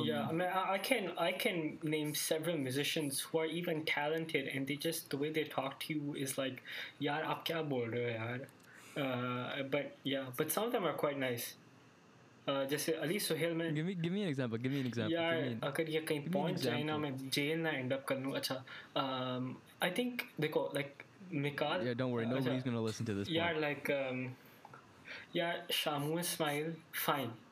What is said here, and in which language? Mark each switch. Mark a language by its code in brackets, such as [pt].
[en] Yeah, I mean, I can name several musicians who are even talented, and they just, the way they talk to you is like, [ur] یار آپ کیا بول رہے ہو یار. [en] But some of them are quite nice. [ur] جیسے علی سہیل میں, [en] give me an example. Give me an example. [ur] یار, اگر یہ کہیں پہنچ جائے نا, میں جیل نا [en] end up [ur] کر لو. [en] Acha, I think dekho, like Mikal. Yeah, don't worry. Nobody's gonna listen to this. Yaar, like, Shamu Ismail, fine.